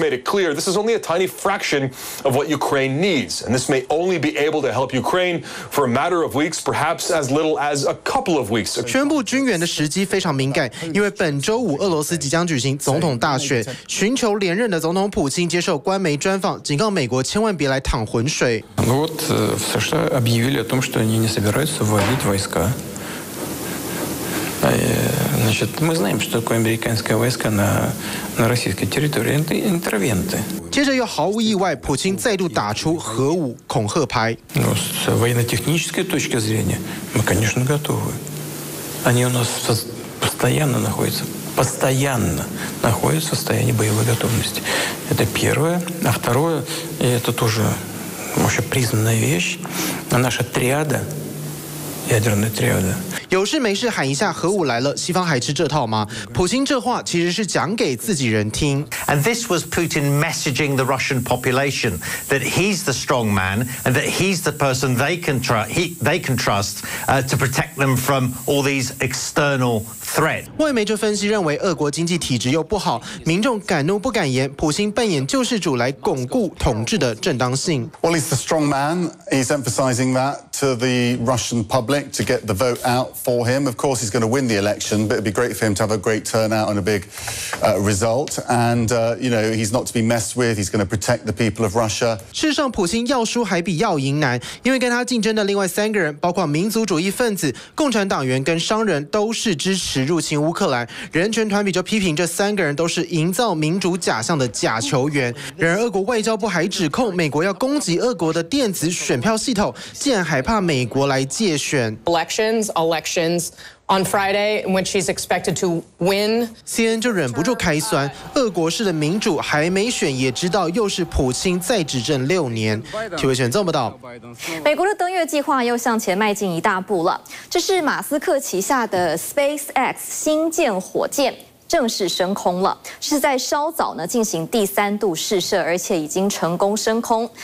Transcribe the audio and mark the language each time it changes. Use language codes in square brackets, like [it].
[en] made it clear this is only a tiny fraction of what Ukraine needs, and this may only be able to help Ukraine for a matter of weeks, perhaps as little as a couple of weeks. [zh] 宣布军援的时机非常敏感，因为本周五俄罗斯即将举行总统大选，寻求连任的总统普京接受官媒专访，警告美国千万别来淌浑水。 [ru] Ну вот, в США объявили о том, что они не собираются вводить войска. Значит, мы знаем, что такое американские войска на российской территории. Это интервенты. [zh] 接着又毫无意外，普京再度打出核武恐吓牌。 [ru] Ну, с военно-технической точки зрения, мы, конечно, готовы. Они у нас постоянно находятся. Постоянно находится в состоянии боевой готовности. Это первое. А второе, и это тоже вообще признанная вещь, наша триада, ядерная триада. [zh] 有事没事喊一下核武来了，西方还吃这套吗？普京这话其实是讲给自己人听。 [en] And this was Putin messaging the Russian population that he's the strong man and that he's the person they can trust to protect them from all these external threat. [zh] 外媒就分析认为，俄国经济体制又不好，民众敢怒不敢言，普京扮演救世主来巩固统治的正当性。 [en] Well, he's the strong man. He's emphasizing that to the Russian public to get the vote out for him. Of course, he's going to win the election, but it'd be great for him to have a great turnout and a big result. And you know, he's not to be messed with. He's going to protect the people of Russia. [zh] 事实上，普京要输还比要赢难，因为跟他竞争的另外三个人，包括民族主义分子、共产党员跟商人，都是支持入侵乌克兰。人权团体就批评这三个人都是营造民主假象的假球员。然而，俄国外交部还指控美国要攻击俄国的电子选票系统，竟然还怕美国来借选。 [en] Elections. On Friday, in which he's expected to win. [zh] CNN 就忍不住开酸，俄国式的民主还没选，也知道又是普京再执政六年。体委选这么到，美国的登月计划又向前迈进一大步了。这是马斯克旗下的 SpaceX 星舰火箭正式升空了，是在稍早呢进行第三度试射，而且已经成功升空。